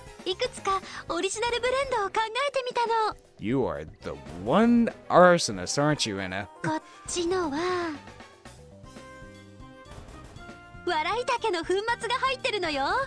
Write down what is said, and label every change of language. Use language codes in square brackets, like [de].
[ja] いくつかオリジナルブレンドを考えてみたの。 [en] You are the one arsonist, aren't you, Aina? [ja] こっちのは笑いたけの粉末が入ってるのよ。